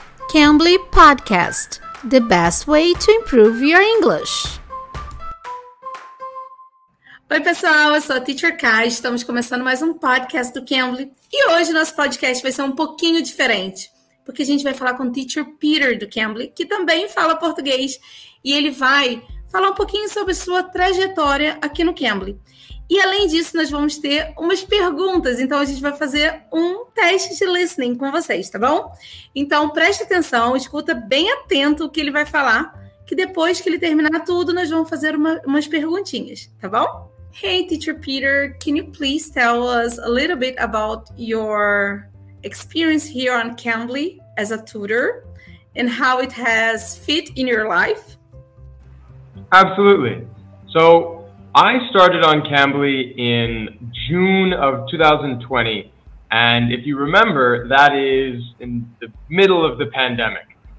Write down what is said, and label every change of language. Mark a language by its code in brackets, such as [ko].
[en] Cambly Podcast, the best way to improve your English. [pt] Oi, pessoal, eu sou a Teacher Kai, estamos começando mais um podcast do Cambly. E hoje nosso podcast vai ser um pouquinho diferente, porque a gente vai falar com o Teacher Peter do Cambly, que também fala português, e ele vai falar um pouquinho sobre sua trajetória aqui no Cambly. E além disso, nós vamos ter umas perguntas, então a gente vai fazer um teste de listening com vocês, tá bom? Então preste atenção, escuta bem atento o que ele vai falar, que depois que ele terminar tudo, nós vamos fazer umas perguntinhas, tá bom? [en] Hey, Teacher Peter, can you please tell us a little bit about your experience here on Cambly as a tutor and how it has fit in your life? Absolutely. So I started on Cambly in June of 2020, and if you remember, that is in the middle of the pandemic.